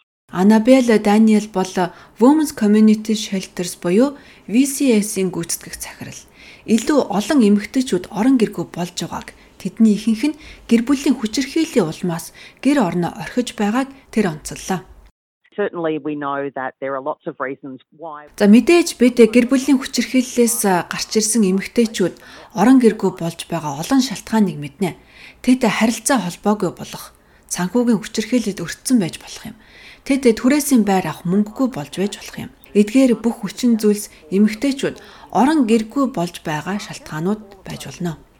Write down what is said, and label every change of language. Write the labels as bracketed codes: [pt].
[mn] Анабель Даниэл бол Women's Community Shelters буюу VCS-ийн гүйцэтгэх захирал. Илүү олон эмэгтэйчүүд орон гэргүй болж байгааг тэдний ихэнх нь гэр бүлийн хүчирхийллийн улмаас гэр орноо орхиж байгааг тэр онцоллоо. [en] Certainly we know that there are lots of reasons why. [mn] За мэдээж бид гэр бүлийн хүчирхийллээс гарч ирсэн эмэгтэйчүүд орон гэргүй болж байгаа олон шалтгааныг мэднэ. Тэд харилцаа холбоогүй болох, санхүүгийн хүчирхийллээд өртсөн байж болох юм. Тэд түрээсийн байр авах мөнгөгүй болж байж болох юм. Эдгээр бүх хүчин зүйлс эмэгтэйчүүд орон гэргүй болж байгаа шалтгаанууд байж болно.